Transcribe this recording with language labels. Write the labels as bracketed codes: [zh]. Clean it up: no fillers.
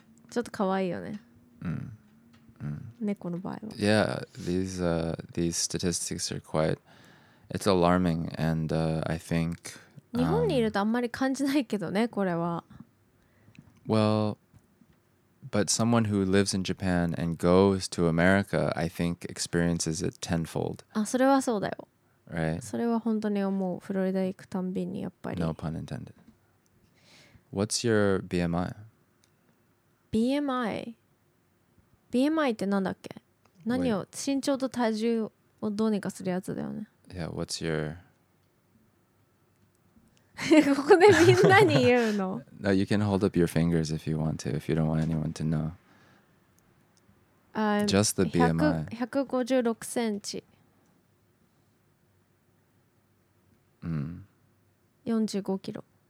[ja] ちょっとかわいいよね。猫の場合は。 [en] Yeah, these statistics are quite... It's alarming, and I think... [ja] 日本にいるとあんまり感じないけどね、これは。 [en] Well... But someone who lives in Japan and goes to America, I think, experiences it tenfold. [ja] あ、それはそうだよ。 [en] Right? [ja] それは本当に思う。フロリダ行くたんびにやっぱり。 [en] No pun intended. What's your BMI? [ja] BMI? BMI ってなんだっけ？何を、身長と体重をどうにかするやつだよね。 [en] Yeah, what's your... [ja] ここでみんなに言うの? [en] No, you can hold up your fingers if you want to, if you don't want anyone to know. Just the BMI. [ja] 156センチ。 45キロ。